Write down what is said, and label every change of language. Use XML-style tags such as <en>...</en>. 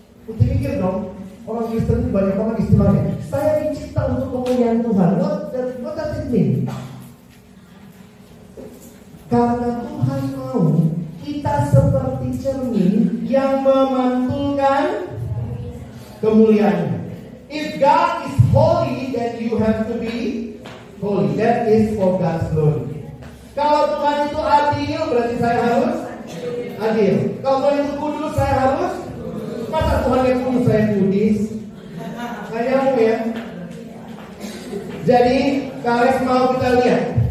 <id>Kita pikir dong, orang Kristen banyak banget istilahnya. Saya dicipta untuk kemuliaan Tuhan.</id> <en>What does it mean?</en> <id>Karena Tuhan mau kita seperti cermin yang memantulkan kemuliaannya.</id> <en>If God is holy, then you have to be holy. That is for God's glory.</en> <id>Kalau Tuhan itu adil, berarti saya harus adil. Kalau Tuhan itu kudus, saya harus. Masa Tuhan yang kudus, saya kudis? Saya mau ya. Jadi, kalian mau kita lihat.</id>